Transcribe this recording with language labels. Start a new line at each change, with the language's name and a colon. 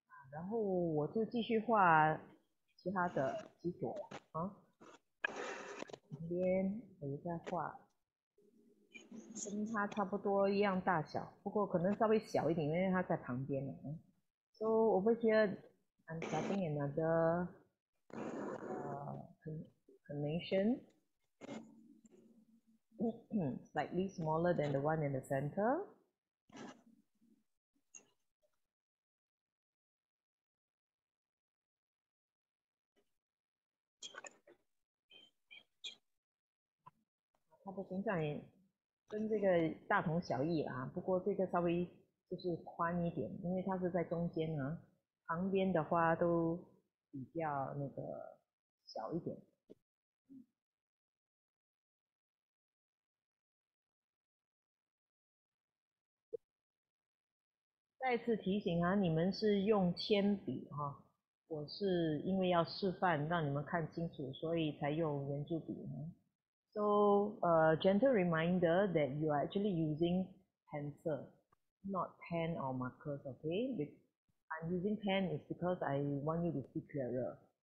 Chinese: 然后我就继续画其他的几朵啊，旁边我就在画跟它差不多一样大小，不过可能稍微小一点，因为它在旁边了。
English: So over here, I'm starting another carnation, slightly smaller than the one in the center.
Chinese: 它的形状也跟这个大同小异啊，不过这个稍微就是宽一点，因为它是在中间啊，旁边的话都比较那个小一点。再次提醒啊，你们是用铅笔哈，我是因为要示范让你们看清楚，所以才用圆珠笔呢。
English: So, a gentle reminder that you are actually using pencil, not pen or markers, okay? I'm using pen is because I want you to see clearer.